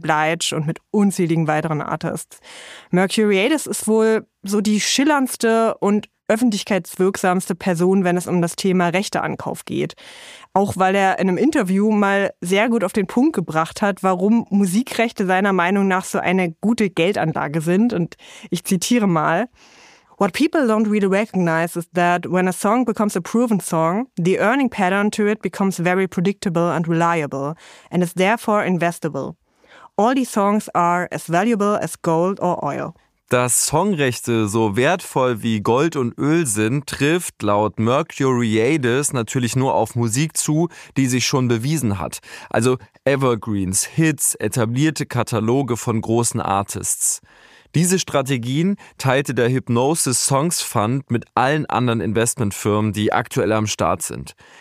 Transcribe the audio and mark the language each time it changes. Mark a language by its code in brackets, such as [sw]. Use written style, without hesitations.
[de] Blige und mit unzähligen weiteren Artists. Mercuriadis ist wohl so die schillerndste und öffentlichkeitswirksamste Person, wenn es um das Thema Rechteankauf geht. Auch weil er in einem Interview mal sehr gut auf den Punkt gebracht hat, warum Musikrechte seiner Meinung nach so eine gute Geldanlage sind. Und ich zitiere mal: [en] What people don't really recognize is that when a song becomes a proven song, the earning pattern to it becomes very predictable and reliable, and is therefore investable. All these songs are as valuable as gold or oil. [de] Dass Songrechte so wertvoll wie Gold und Öl sind, trifft laut Mercuriadis natürlich nur auf Musik zu, die sich schon bewiesen hat. Also Evergreens, Hits, etablierte Kataloge von großen Artists. Diese Strategien teilte der Hypnosis Songs Fund mit allen anderen Investmentfirmen, die aktuell am Start sind.